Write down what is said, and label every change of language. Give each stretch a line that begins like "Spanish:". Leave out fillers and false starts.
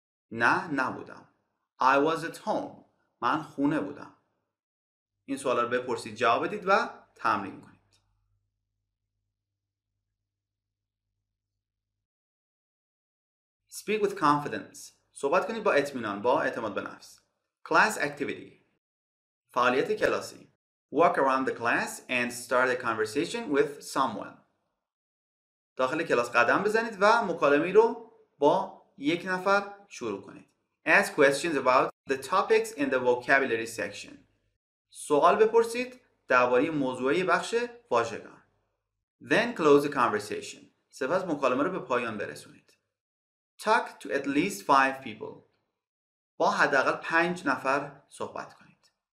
Persian: نه، نبودم.
English: I was at home.
Persian: من خونه بودم. این سوال رو بپرسید، جواب بدید و تمرین کنید.
English: Speak with confidence.
Persian: صحبت کنید با اطمینان، با اعتماد به نفس.
English: Class activity.
Persian: فعالیت کلاسی.
English: Walk around the class and start a conversation with someone.
Persian: داخل کلاس قدم بزنید و مکالمه رو با یک نفر شروع کنید.
English: Ask questions about the topics in the vocabulary section.
Persian: سوال بپرسید درباره موضوعی بخش واژگان.
English: Then close the conversation.
Persian: سپس مکالمه رو به پایان برسونید.
English: Talk to at least 5 people.
Persian: با حداقل 5 نفر صحبت کنید.